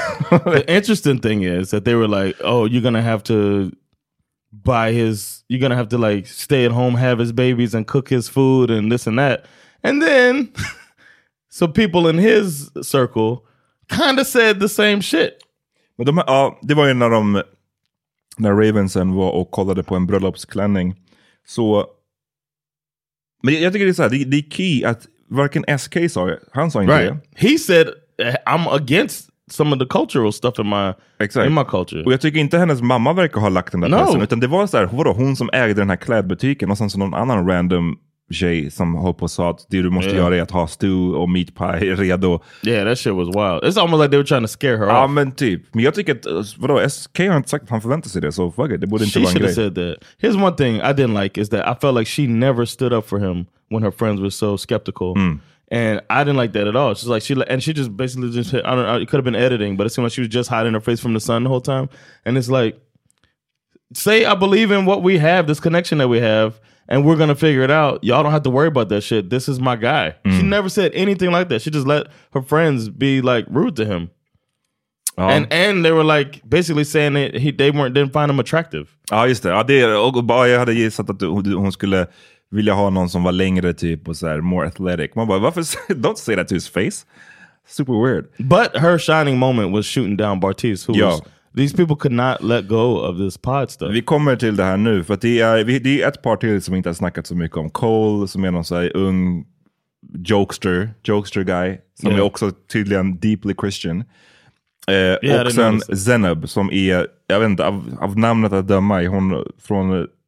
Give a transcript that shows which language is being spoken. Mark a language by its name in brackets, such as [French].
[English] The interesting thing is that they were like, oh, you're gonna have to... buy his, you're gonna have to like stay at home, have his babies and cook his food and this and that. And then so people in his circle kind of said the same shit. [Swedish] Men det var ju när Ravensen var och kollade på en bröllopsklänning. Så men jag tycker det är så här, det är key att varken SK sa det, han sa inte right. det. [English] He said I'm against some of the cultural stuff in my culture. [Swedish] Och jag tycker inte hennes mamma verkar ha lagt den där pressen, utan det var så här, vadå, hon som ägde den här klädbutiken, och sen så någon annan random tjej som höll på och sa att det du måste göra är att ha stew och meat pie redo. [English] Yeah, that shit was wild. It's almost like they were trying to scare her off. [Swedish] Ja, men typ. Men jag tycker att, vadå, SK har inte sagt att han förväntar sig det, så fuck it, det borde inte vara en grej. [English] She should have said that. Here's one thing I didn't like, is that I felt like she never stood up for him when her friends were so skeptical. Mm. And I didn't like that at all. She's like, she just basically just hit, I don't know, it could have been editing, but it seemed like she was just hiding her face from the sun the whole time. And it's like, say I believe in what we have, this connection that we have, and we're going to figure it out. Y'all don't have to worry about that shit. This is my guy. Mm. She never said anything like that. She just let her friends be like rude to him. Oh. And they were like basically saying that they didn't find him attractive. [Swedish] Ah, just det. Jag hade gissat att hon skulle vill jag ha någon som var längre typ och så här [English] more athletic. [Swedish] Man bara, varför? [English] Don't say that to his face. Super weird. But her shining moment was shooting down Bartiz. These people could not let go of this pod stuff. [Swedish] Vi kommer till det här nu. För att det är ett par till som inte har snackat så mycket om. Cole som är någon så här ung [English] jokester guy. [Swedish] Som är också tydligen deeply Christian. Och sen Zeynep som är, jag vet inte, av namnet att döma är hon från...